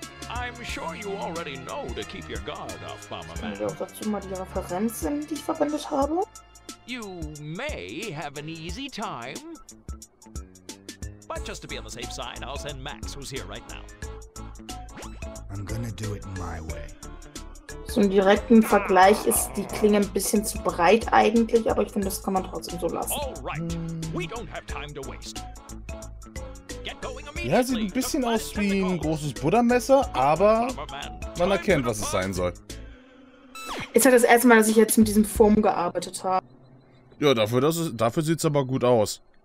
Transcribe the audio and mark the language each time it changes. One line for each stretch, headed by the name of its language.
English: I'm sure you already know to keep your guard off, Bomberman.
German: Ich kann dir auch dazu mal die Referenzen, die ich verwendet habe.
English: You may have an easy time. But just to be on the safe side, I'll send Max, who's here right now. I'm gonna do it my way.
German: Zum direkten Vergleich ist die Klinge ein bisschen zu breit eigentlich, aber ich finde, das kann man trotzdem so lassen.
English: All right, we don't have time to waste.
German: Ja, sieht ein bisschen aus wie ein großes Buddha-Messer, aber man erkennt, was es sein soll. Ist halt das erste Mal, dass ich jetzt mit diesem Form gearbeitet habe. Ja, dafür sieht es aber gut aus.